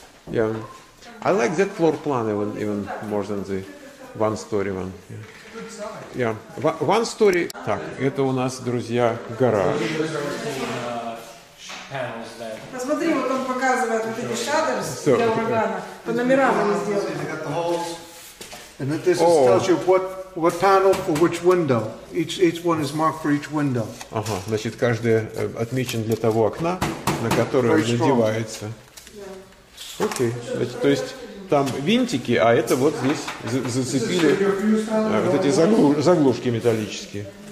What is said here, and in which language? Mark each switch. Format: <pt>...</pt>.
<en>Yeah. I like that floor plan even more than the one-story one. Yeah. One-story.</en> <ru>Так, это у нас, друзья, гараж. Посмотри, вот он показывает вот эти шаттерс для урагана. По номерам они сделаны.</ru> <en>And this tells you what panel for which window. Each one is marked for each window.</en> <ru>Ага, значит, каждый отмечен для того окна, на которую он надевается. Окей. Значит, то есть там винтики, а это вот здесь зацепили вот эти заглушки металлические.</ru>